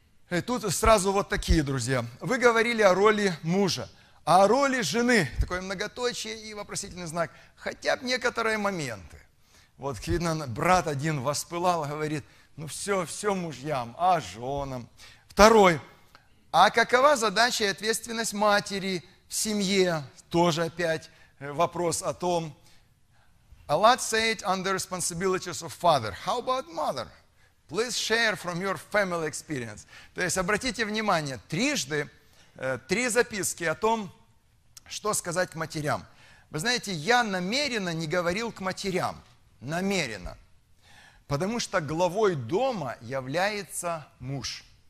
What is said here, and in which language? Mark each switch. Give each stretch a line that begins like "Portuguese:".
Russian: И тут сразу вот такие, друзья. Вы говорили о роли мужа, а о роли жены. Такое многоточие и вопросительный знак. Хотя бы некоторые моменты. Вот, видно, брат один воспылал, говорит, ну все, все мужьям, а женам. Второй. А какова задача и ответственность матери в семье? Тоже опять вопрос о том,
English: a lot said on the responsibilities of father. How about mother? Please share from your family experience.
Russian: То есть, обратите внимание, трижды, три записки о том, что сказать к матерям. Вы знаете, я намеренно не говорил к матерям. Намеренно. Потому что главой дома является муж.